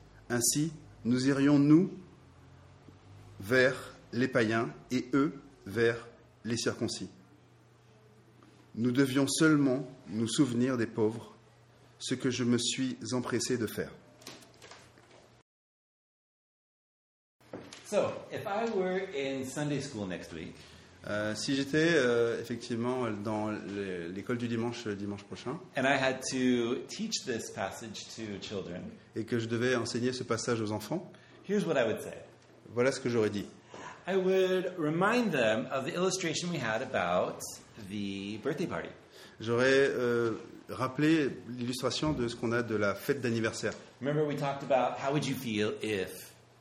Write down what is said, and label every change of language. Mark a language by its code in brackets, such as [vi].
[fr] Ainsi, nous irions, nous, vers les païens et eux, vers les circoncis. Nous devions seulement nous souvenir des pauvres, ce que je me suis empressé de faire. [en] So, if I were in Sunday school next week, [fr] si j'étais effectivement dans l'école du dimanche prochain, [en] and I had to teach this passage to children, [fr] et que je devais enseigner ce passage aux enfants, [en] here's what I would say. [fr] Voilà ce que j'aurais dit. [en] I would remind them of the illustration we had about the birthday party. [fr] J'aurais rappelé l'illustration de ce qu'on a de la fête d'anniversaire. [en] Remember we talked about how would you feel if?